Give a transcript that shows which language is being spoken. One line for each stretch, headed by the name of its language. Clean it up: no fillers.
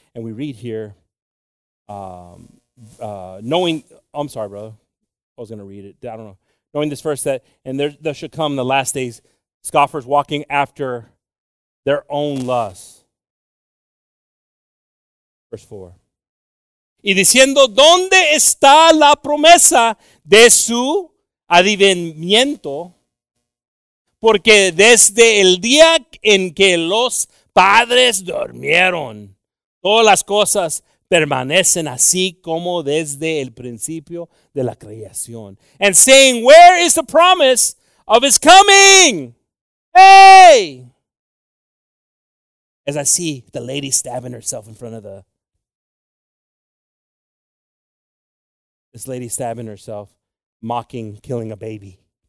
English: And we read here, I'm sorry, brother. I was going to read it. I don't know. Knowing this verse that, and there should come the last days, scoffers walking after their own lusts. Verse 4.
Spanish: Y diciendo, ¿dónde está la promesa de su advenimiento? Porque desde el día en que los padres durmieron, todas las cosas permanecen así como desde el principio de la creación.
English: And saying, where is the promise of his coming? Hey! As I see the lady stabbing herself in front of the This lady stabbing herself, mocking, killing a baby.